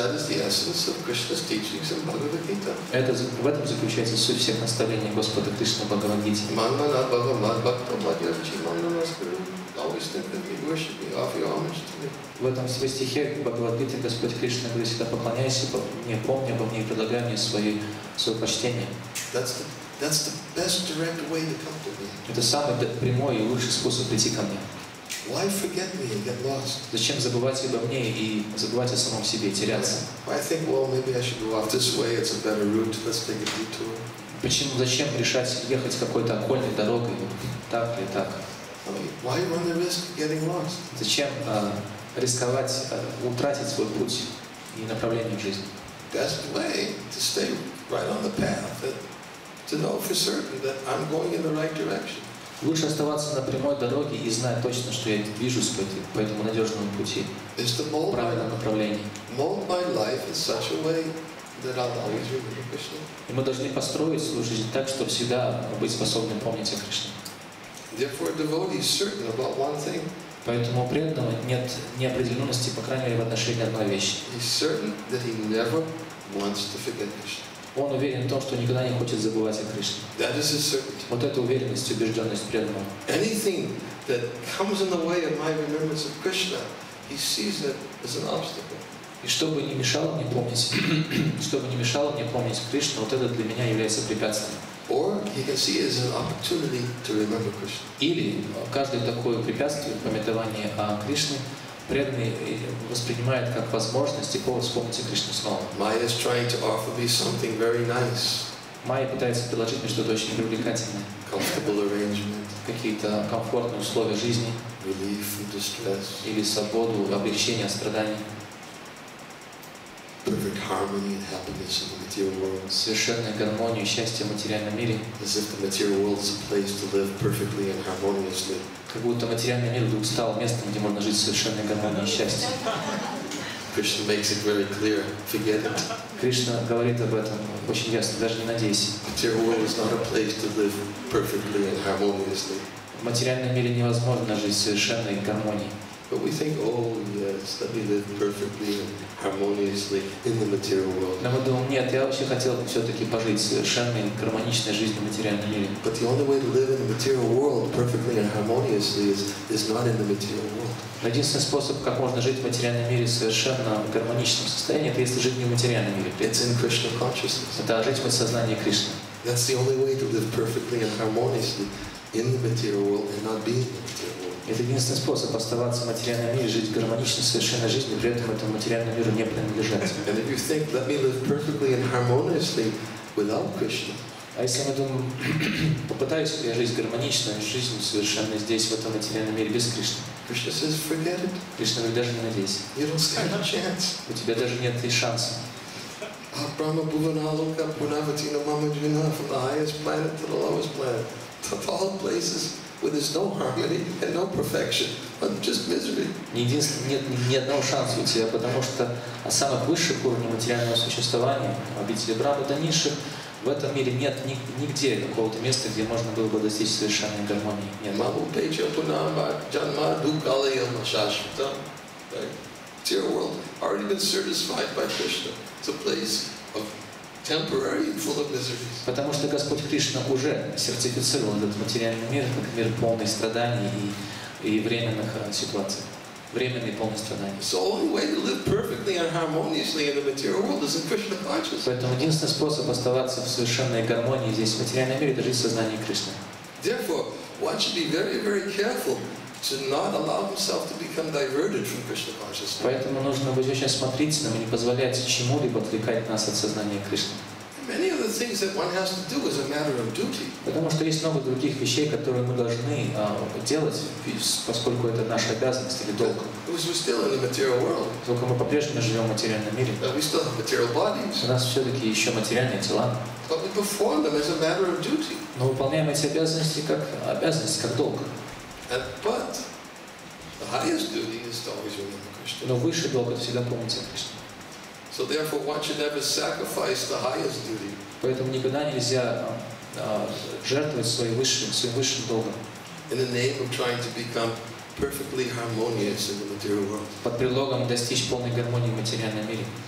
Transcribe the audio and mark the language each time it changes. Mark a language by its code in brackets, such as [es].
[en] That is the essence of Krishna's teachings in Bhagavad Gita. [ru] В этом заключается суть всех наставлений Господа Кришны в Бхагавад Гите. [sa] Манмана Бхагамад Бхактамадьярчи Манманаскару. [en] Always think that you worship me, offer your homage to me. [ru] В этом стихе Бхагавад-гита Господь Кришна говорит, всегда поклоняйся обо мне, помни обо мне и предлагай мне свое почтение. [en] That's the best direct way to come to me. [ru] Это самый прямой и лучший способ прийти ко мне. [en] Why forget me and get lost? [ru] Зачем забывать обо мне и забывать о самом себе, теряться? [en] Why think, well, maybe I should go off this way, it's a better route, let's take a detour. [ru] Почему, зачем решать ехать какой-то окольной дорогой, так или так? [en] Why run the risk of getting lost? [ru] Зачем рисковать, утратить свой путь и направление в жизни. [en] Best way to stay right on the path, to know for certain that I'm going in the right direction. [ru] Лучше оставаться на прямой дороге и знать точно, что я движусь по этому надежному пути, правильном направлении. [en] Mold my life in such a way that I'll always remember Krishna. [ru] И мы должны построить свою жизнь так, чтобы всегда быть способны помнить о Кришне. [en] Therefore, a devotee is certain about one thing. [ru] Поэтому у преданного нет неопределенности, по крайней мере, в отношении одной вещи. [en] He's certain that he never wants to forget Krishna. [ru] Он уверен в том, что никогда не хочет забывать о Кришне. [en] That is his certainty. [ru] Вот эта уверенность, убежденность преданного. [en] Anything that comes in the way of my remembrance of Krishna, he sees it as an obstacle. [ru] И что бы ни мешало мне помнить, что бы ни мешало мне помнить Кришну, вот это для меня является препятствием. [en] Or he can see it as an opportunity to remember Krishna. [ru] Или каждое такое препятствие, памятование о Кришне, преданный воспринимает как возможность и повод вспомнить Кришну снова. [en] Майя is trying to offer me something very nice. [ru] Майя пытается предложить мне что-то очень привлекательное. [en] Comfortable arrangement. [ru] Какие-то комфортные условия жизни. [en] Relief from distress. [ru] Или свободу, облегчение от страданий. [en] Perfect harmony and happiness in the material world. [ru] Совершенная гармония и счастье в материальном мире. [en] As if the material world is a place to live perfectly and harmoniously. [ru] Как будто материальный мир вдруг стал местом, где можно жить в совершенной гармонии и счастье. [en] Krishna makes it very clear. Forget it. [ru] Кришна говорит об этом очень ясно. Даже не надейся. [en] The material world is not a place to live perfectly and harmoniously. [ru] В материальном мире невозможно жить в совершенной гармонии. [en] But we think, oh yes, let me live perfectly and harmoniously in the material world. [ru] Но мы думаем, нет, я вообще хотел бы все-таки пожить совершенной гармоничной жизнью в материальном мире. [en] But the only way to live in the material world perfectly and harmoniously is not in the material world. [ru] Единственный способ, как можно жить в материальном мире совершенно в гармоничном состоянии, это если жить не в материальном мире. [en] It's in Krishna consciousness. [ru] Это жить в сознании Кришны. [en] That's the only way to live perfectly and harmoniously in the material world and not be in the material world. [ru] Это единственный способ оставаться в материальном мире, жить гармонично, совершенно жизнью, при этом этому материальному миру не принадлежать. [en] And if you think, let me live perfectly and harmoniously without Krishna. [ru] А если мы думаем, попытаюсь ли я жить гармонично, жизнью совершенно здесь, в этом материальном мире, без Кришны? [en] Krishna says, forget it. [ru] Кришна говорит, даже не надейся. [en] You don't stand a chance. [ru] У тебя даже нет и шанса. [sa] А Брахма Бхуваналока Пунаватина Мамаджина, [en] from the highest planet to the lowest planet, to all places. Where there's no harmony and no perfection, but just misery. [ru] Ни одного шанса у тебя, потому что самых высших уровней материального существования, обители Брахмы до низших, в этом мире нет нигде какого-то места, где можно было бы достичь совершенной гармонии. Нет. [sa] Мабупеча пунамба джанма дукалия машашвитам. [en] The world already been certified by Krishna. It's a place of temporary and full of miseries. [ru] Потому что Господь Кришна уже сертифицировал этот материальный мир как мир полный страданий и временных ситуаций. Временные полные страдания. [en] So the only way to live perfectly and harmoniously in the material world is in Krishna consciousness. [ru] Поэтому единственный способ оставаться в совершенной гармонии здесь в материальном мире — это жить в сознании Кришны. [en] Therefore, one should be very, very careful to not allow himself to become diverted from Krishna consciousness. [ru] Поэтому нужно быть очень осмотрительным и не позволять чему-либо отвлекать нас от сознания Кришны. [en] Many of the things that one has to do is a matter of duty. [ru] Потому что есть много других вещей, которые мы должны делать, поскольку это наша обязанность или долг. [en] Because we're still in the material world. [ru] Только мы по-прежнему живем в материальном мире. [en] We still have material bodies. [ru] У нас все-таки еще материальные тела. [en] But we perform them as a matter of duty. [ru] Но выполняем эти обязанности как обязанность, как долг. [en] But the highest duty is to always remember Krishna. [ru] Но высший долг — это всегда помнить о Кришне. [en] So therefore, one should never sacrifice the highest duty. [ru] Поэтому никогда нельзя жертвовать своим высшим долгом. [en] In the name of trying to become perfectly harmonious in the material world. [ru] Под предлогом достичь полной гармонии в материальном мире.